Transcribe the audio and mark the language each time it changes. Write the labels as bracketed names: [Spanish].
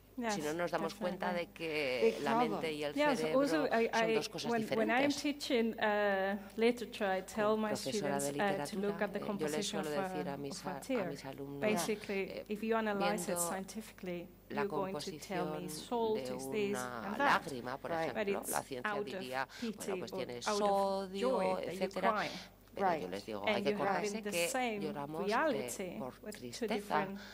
[Spanish] Si no nos damos cuenta de que la mente y el cerebro son dos cosas diferentes. [English] When I'm teaching literature, I tell my students to look at the composition of a tear. Basically, if you analyze it scientifically, [Spanish] la composición de una lágrima, por ejemplo, la ciencia diría, bueno, pues tiene sodio, etcétera. Pero yo les digo, hay que acordarse que lloramos por tristeza.